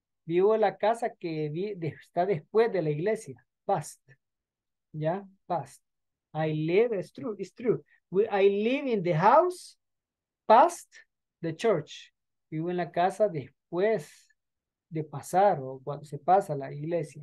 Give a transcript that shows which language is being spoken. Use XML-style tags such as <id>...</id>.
<es>Vivo en la casa que vi, de, está después de la iglesia.</es> <en>Past. ¿Ya? Past. I live, it's true, it's true. We, I live in the house past the church.</en> <es>Vivo en la casa después de pasar o cuando se pasa la iglesia.</es>